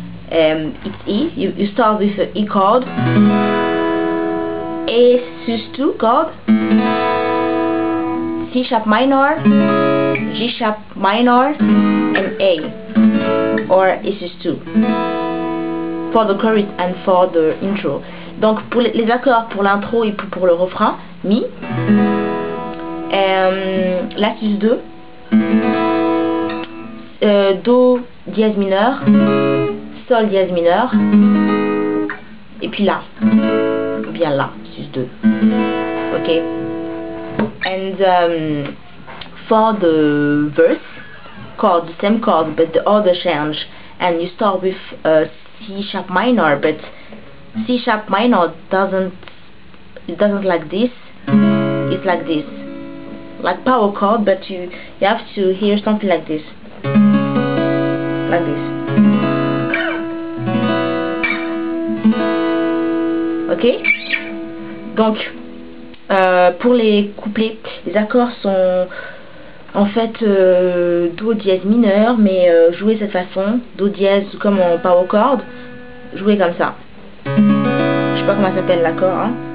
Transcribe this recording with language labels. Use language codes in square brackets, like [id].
[en] It's E, you start with an E chord, A sus2 chord, C sharp minor, G sharp minor, and A, or A sus2, for the chorus and for the intro. [fr] Donc pour les accords pour l'intro et pour le refrain, Mi, La sus2, Do dièse mineur, Sol dièse mineur, et puis La, ou bien La sus2. Ok. [en] And for the verse, chord, the same chord, but the order change, and you start with C sharp minor, but C sharp minor doesn't like this. It's like this, like power chord, but you have to hear something like this, like this. Ok. [fr] Donc pour les couplets, les accords sont en fait Do dièse mineur, mais joué cette façon, Do dièse comme en power chord, joué comme ça. Je sais pas comment ça s'appelle l'accord, hein.